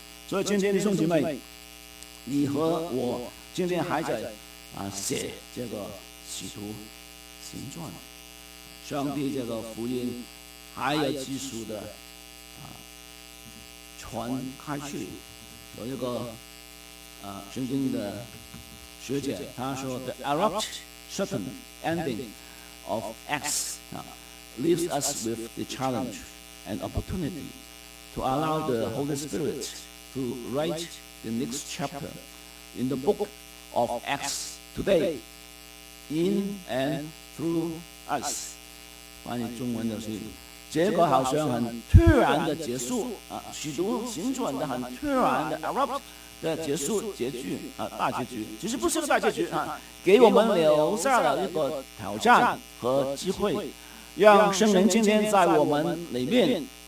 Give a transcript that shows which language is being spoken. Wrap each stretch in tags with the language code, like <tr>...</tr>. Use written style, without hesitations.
<zh>所以今天弟兄姐妹，你和我今天还在写这个使徒行传，上帝这个福音还有继续的传开去。有一个圣经的学姐他说</zh> <en>The abrupt certain ending of Acts leaves us with the challenge and opportunity to allow the Holy Spirit to write the next chapter in the book of Acts today in and through us。</en> <zh>翻译中文的是这个好像很突然的结束许多行转的很突然的 abrupt 的结束结局大结局，其实不是大结局给我们留下了一个挑战和机会，让圣灵今天在我们里面</zh>